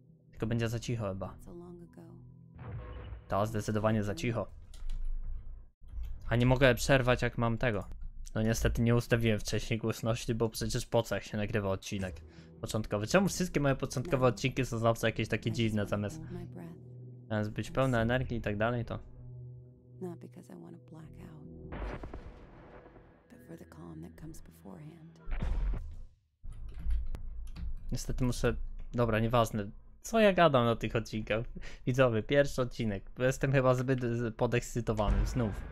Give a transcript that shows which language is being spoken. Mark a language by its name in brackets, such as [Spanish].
[Polish] Tylko będzie za cicho chyba. Ta, zdecydowanie za cicho. A nie mogę przerwać, jak mam tego. No niestety nie ustawiłem wcześniej głośności, bo przecież po co, jak się nagrywa odcinek początkowy? Czemu wszystkie moje początkowe odcinki są zawsze jakieś takie dziwne, zamiast... Zamiast być pełna energii i tak dalej, to... [English] Not because I want to black out, but for the calm that comes beforehand. [Polish] Niestety muszę... Dobra, nieważne. Co ja gadam na tych odcinkach? Widzowie, pierwszy odcinek. Jestem chyba zbyt podekscytowany, znów.